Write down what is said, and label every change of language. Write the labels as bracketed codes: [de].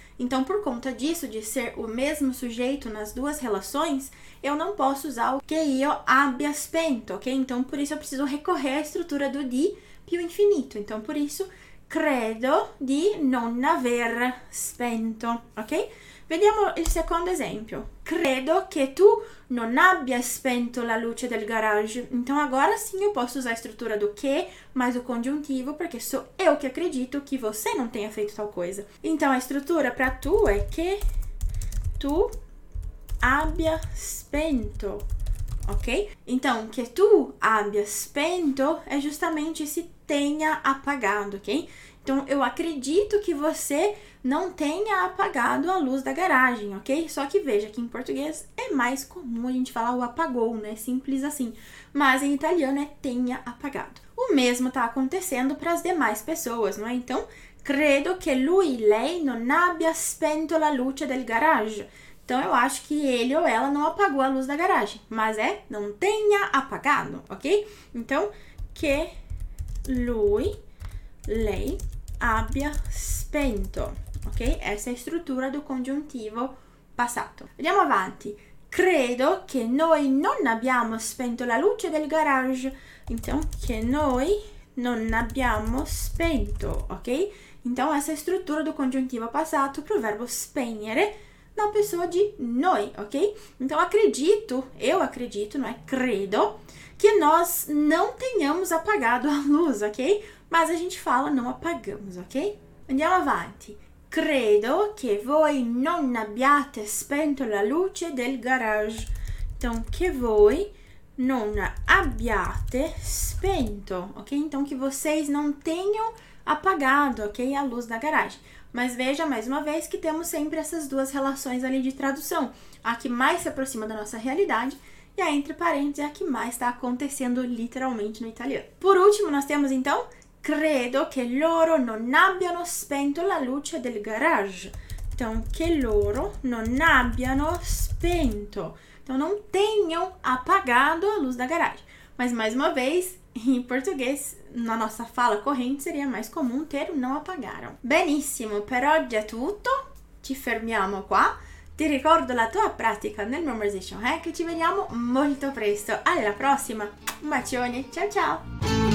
[pt] Então, por conta disso, de ser o mesmo sujeito nas duas relações, eu não posso usar o que [it] io abbia spento, [pt] ok? Então, por isso, eu preciso recorrer à estrutura do di più infinito. Então, por isso, [it] credo di non aver spento, ok? Vediamo il secondo esempio. Credo che tu non abbia spento la luce del garage. [pt] Então, agora sim, eu posso usar a estrutura do che mais o congiuntivo, porque sou eu que acredito que você não tenha feito tal coisa. Então, a estrutura para tu é [it] che tu abbia spento, [pt] ok? Então, [it] che tu abbia spento [pt] é justamente esse tenha apagado, ok? Então, eu acredito que você não tenha apagado a luz da garagem, ok? Só que veja que em português é mais comum a gente falar o apagou, né? Simples assim. Mas em italiano é tenha apagado. O mesmo tá acontecendo para as demais pessoas, não é? [it] Então, credo que lui, lei, non abbia spento la luce del garage. [pt] Então, eu acho que ele ou ela não apagou a luz da garagem. Mas é não tenha apagado, ok? [it] Então, que lui, lei, abbia spento, ok? Essa è la struttura del congiuntivo passato. Andiamo avanti. Credo che noi non abbiamo spento la luce del garage. Então, che noi non abbiamo spento, ok? Então, essa è la struttura del congiuntivo passato [pt] pro verbo [it] spegnere [pt] na pessoa [it] di noi, ok? [pt] Então, acredito, eu acredito, não é? Credo que nós não tenhamos apagado a luz, ok? Mas a gente fala não apagamos, ok? [it] Andiamo avanti. Credo che voi non abbiate spento la luce del garage. Então, che voi non abbiate spento, ok? [pt] Então, que vocês não tenham apagado, ok, a luz da garagem. Mas veja, mais uma vez, que temos sempre essas duas relações ali de tradução. A que mais se aproxima da nossa realidade e a, entre parênteses, a que mais está acontecendo literalmente no italiano. Por último, nós temos, então, [it] credo che loro non abbiano spento la luce del garage. Então, che loro non abbiano spento. [pt] Então, não tenham apagado a luz da garagem. Mas, mais uma vez, em português, na nossa fala corrente, seria mais comum ter não apagaram. [it] Benissimo, per oggi è tutto. Ci fermiamo qua. Ti ricordo la tua pratica nel Memorization Hack. Ci vediamo molto presto. Alla prossima. Un bacione. Ciao, ciao.